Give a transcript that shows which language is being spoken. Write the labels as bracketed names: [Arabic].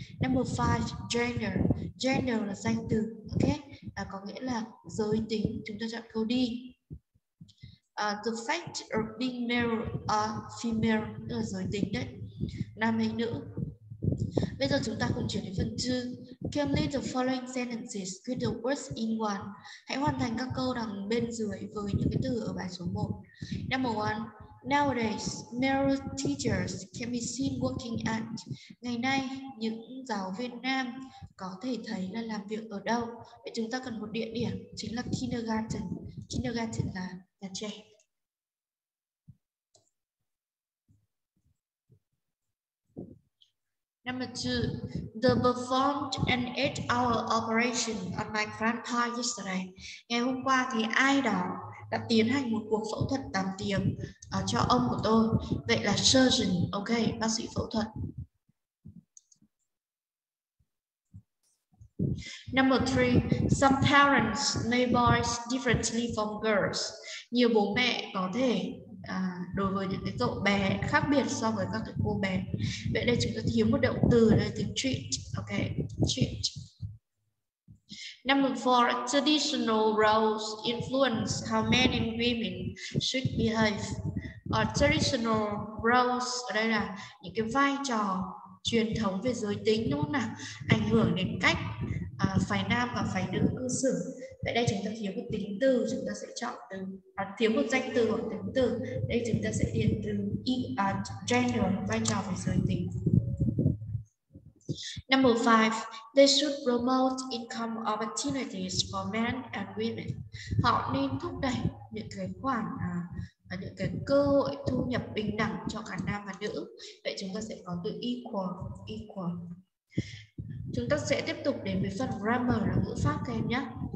[English] Number five, [Vietnamese] gender là danh từ, ok, có nghĩa là giới tính. Chúng ta chọn câu D. [English] The fact of being male or female, [Vietnamese] tức là giới tính đấy, nam hay nữ. Bây giờ chúng ta cùng chuyển đến phần 2. [English] Complete the following sentences with the words in one. [Vietnamese] Hãy hoàn thành các câu đằng bên dưới với những cái từ ở bài số 1. [English] Number 1. Nowadays, male teachers can be seen working at. [Vietnamese] Ngày nay, những giáo viên nam có thể thấy là làm việc ở đâu? Vậy chúng ta cần một địa điểm, chính là kindergarten. Kindergarten là nhà trẻ. [English] Number 2, the performed an 8-hour operation on my grandpa yesterday. [Vietnamese] Ngày hôm qua thì ai đó đã tiến hành một cuộc phẫu thuật 8 tiếng cho ông của tôi. Vậy là surgeon, ok, bác sĩ phẫu thuật. [English] Number 3, some parents may boys differently from girls. [Vietnamese] Nhiều bố mẹ có thể đối với những cái cậu bé khác biệt so với các cái cô bé. Vậy đây chúng ta thiếu một động từ đây, từ treat, ok, treat. [English] Number 4, traditional roles influence how men and women should behave. [Vietnamese] Traditional roles ở đây là những cái vai trò truyền thống về giới tính, đúng không nào, ảnh hưởng đến cách phái nam và phái nữ cư xử. Vậy đây chúng ta thiếu một tính từ, chúng ta sẽ chọn từ thiếu một danh từ hoặc tính từ. Đây chúng ta sẽ điền từ gender, vai trò về giới tính. [English] Number 5, they should promote income opportunities for men and women. [Vietnamese] Họ nên thúc đẩy những cái khoản những cái cơ hội thu nhập bình đẳng cho cả nam và nữ. Vậy chúng ta sẽ có từ equal. Chúng ta sẽ tiếp tục đến với phần grammar là ngữ pháp các em nhé.